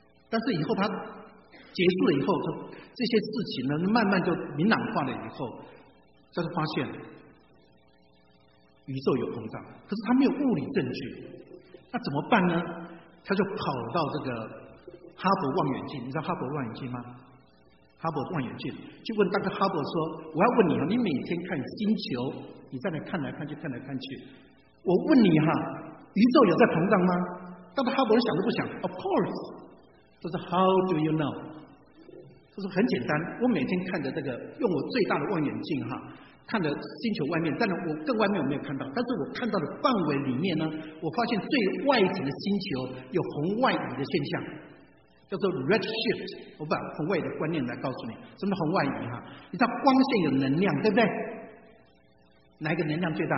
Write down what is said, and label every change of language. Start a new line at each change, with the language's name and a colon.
Chinese: 但是以后他结束了以后，这些事情呢慢慢就明朗化了以后，他就发现宇宙有膨胀，可是他没有物理证据，那怎么办呢？他就跑到这个哈勃望远镜，你知道哈勃望远镜吗？哈勃望远镜，就问大哥哈勃说：“我要问你，你每天看星球，你在那看来看去，看来看去，我问你哈，宇宙有在膨胀吗？” 大哥哈勃想都不想 ，
English: Of course，
Chinese: 他说 ：
English: “How do you know？”
Chinese: 他说：“很简单，我每天看着这个，用我最大的望远镜哈。” 看的星球外面，当然我更外面我没有看到，但是我看到的范围里面呢，我发现最外层的星球有红外移的现象，叫做 red shift。我把红外移的观念来告诉你，什么红外移哈？你知道光线有能量，对不对？哪一个能量最大？